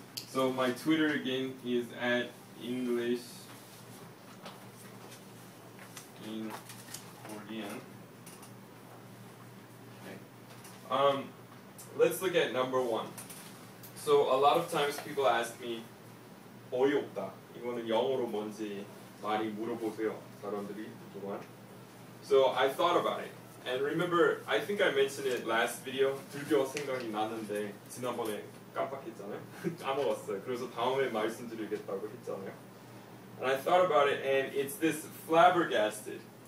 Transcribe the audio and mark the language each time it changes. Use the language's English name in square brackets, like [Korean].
[English] So my Twitter again is at English in Korean. Okay. Let's look at number one. So a lot of times people ask me [Korean] 어이없다. 이거는 영어로 뭔지 많이 물어보세요. 사람들이 그동안. [English] So I thought about it. And remember, I think I mentioned it last video. [Korean] 들겨 생각이 났는데 지난번에 깜빡했잖아요. 까먹었어요. 그래서 다음에 말씀드리겠다고 했잖아요. [English] And I thought about it, and it's this flabbergasted.